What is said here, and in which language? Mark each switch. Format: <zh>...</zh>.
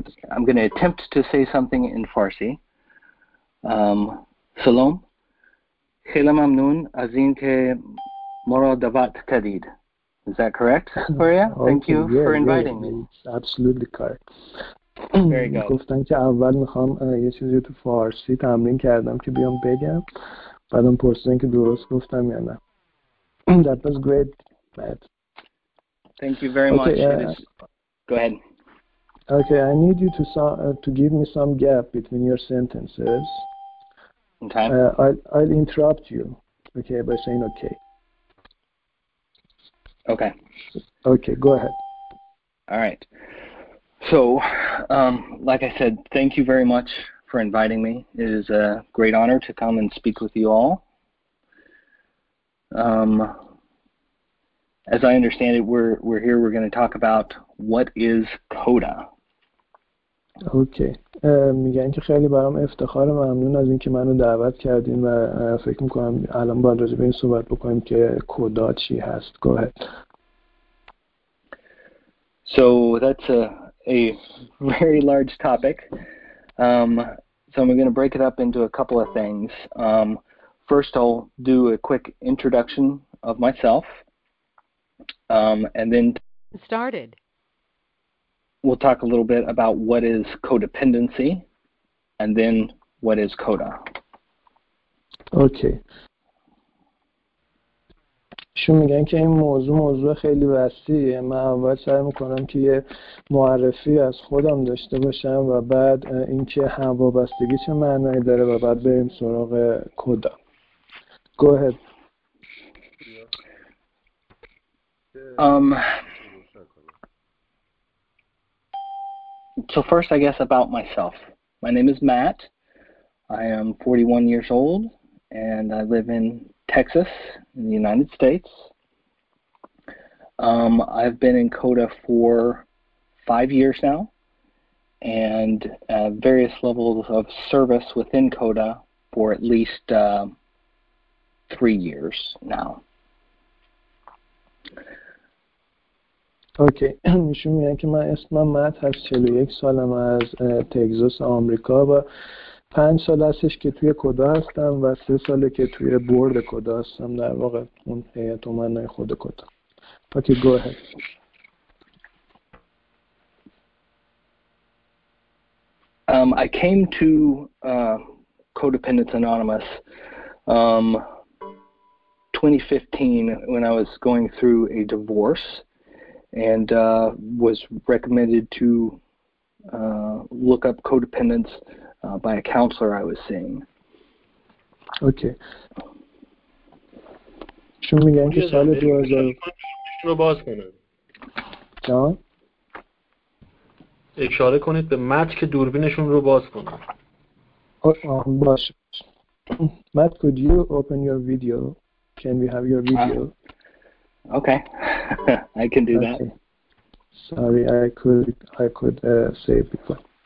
<en>I'm gonna attempt to say something in Farsi.</en> <fa>Salam. Khela mamnoon azin ke mora davat kadid.</fa> <en>Is that correct, Maria? Thank Okay, you for inviting me. it's absolutely correct. There you go.</en> <fa>گفتن که اول میخوام یه چیزی تو فارسی تمرین کردم که بیام بگم، بعدم پرسیدن که درست گفتم یا نه.</fa> <en>That was great, Matt. Thank you very Okay, much. It is. Go ahead. okay. I need you to give me some gap between your sentences. Okay. I'll interrupt you, okay, by saying okay. Okay. Okay, go ahead. All right. So, like I said, thank you very much for inviting me. It is a great honor to come and speak with you all. As I understand it, we're here, we're going to talk about what is CODA.</en> <fa>اوکی میگن که خیلی برام افتخار و ممنون از اینکه منو دعوت کردین و فکر میکنم الان باید راجع به این صحبت بکنیم که کدا چی هست.</fa> <en>Go ahead. So that's a very large topic. So I'm going to break it up into a couple of things. First I'll do a quick introduction of myself. And then started. We'll talk a little bit about what is codependency and then what is CODA. Okay.</en> <fa>شون میگن که این موضوع خیلی وسیعه. من اول سعی میکنم که یه معرفی از خودم داشته باشم و بعد اینکه هم وابستگی چه معنایی داره و بعد بریم سراغ کدا.</fa> <en>Go ahead. So first, I guess, about myself. My name is Matt. I am 41 years old, and I live in Texas, in the United States. I've been in CODA for 5 years now, and various levels of service within CODA for at least 3 years now.</en> <fa>اوکی ایشون میگن که من اسمم مات هست، 41 سالم، از تگزاس آمریکا و 5 سال هستش که توی کدا هستم و 3 ساله که توی بورد کدا هستم، در واقع اون هیئت امنای خود کدا.</fa> <en>Okay go ahead. I came to Codependence Anonymous 2015 when I was going through a divorce. And was recommended to look up codependence by a counselor I was seeing. Okay.</en> <fa>شما میگن که سال 2000 رو باز کنید. جان. اشاره کنید به مت که دوربینشون رو باز کنه. باشه.</fa> <en>Matt, could you open your video? Can we have your video? Okay. I can do that. Sorry, I could say it before.</en>